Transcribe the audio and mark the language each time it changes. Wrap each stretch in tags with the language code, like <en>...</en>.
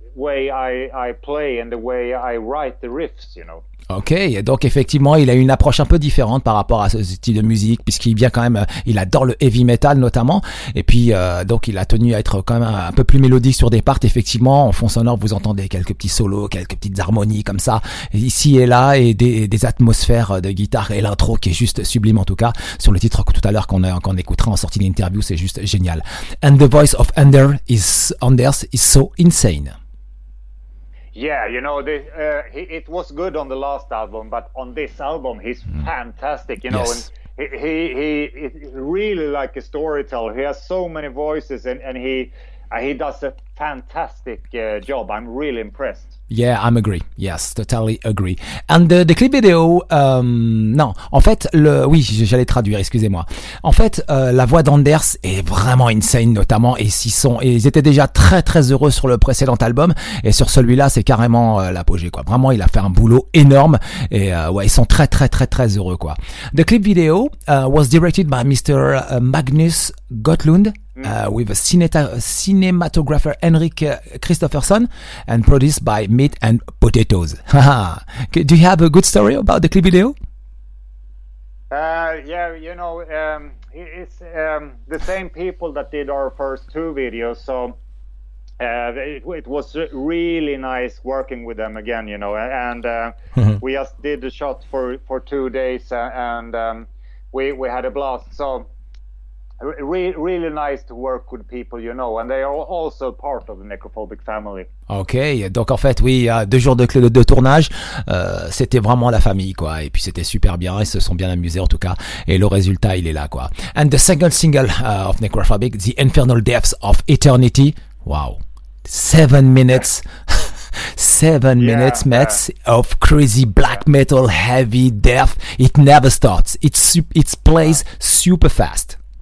<en>way I play and the way I write the riffs, you know.</en> <fr>Ok, donc effectivement, il a une approche un peu différente par rapport à ce style de musique, puisqu'il vient quand même, il adore le heavy metal notamment, et puis donc il a tenu à être quand même un peu plus mélodique sur des parts. Effectivement, en fond sonore, vous entendez quelques petits solos, quelques petites harmonies comme ça, ici et là, et des atmosphères de guitare, et l'intro qui est juste sublime en tout cas, sur le titre tout à l'heure qu'on écoutera en sortie d'interview, c'est juste génial.</fr> <en>And the voice of Anders is so insane. Yeah, you know, it was good on the last album, but on this album, he's fantastic. You know, yes. And he is really like a storyteller. He has so many voices, and he does a fantastic job. I'm really impressed. Yeah, I'm agree. Yes, totally agree. And the clip video,</en> <fr>non, en fait, oui, j'allais traduire, excusez-moi. En fait, la voix d'Anders est vraiment insane, notamment, et ils étaient déjà très très heureux sur le précédent album, et sur celui-là, c'est carrément l'apogée, quoi. Vraiment, il a fait un boulot énorme, et ouais, ils sont très très très très heureux, quoi.</fr> <en>The clip video was directed by Mr. Magnus Gotlund. With a cinematographer Henrik Kristoffersson, and produced by Meat and Potatoes. Do you have a good story about the clip video? Yeah, you know, it's the same people that did our first two videos, so it was really nice working with them again, you know, and we just did the shot for 2 days, and we had a blast, so... Really nice to work with people, you know, and they are also part of the Necrophobic family.</en> <fr>Ok, donc en fait, oui, deux jours de tournage, c'était vraiment la famille, quoi. Et puis c'était super bien, ils se sont bien amusés en tout cas. Et le résultat, il est là, quoi.</fr> <en>And the single of Necrophobic, The Infernal Depths of Eternity. Wow, 7 minutes. 7 minutes, Mets, of crazy black metal, heavy death. It never starts. It plays super fast.</en>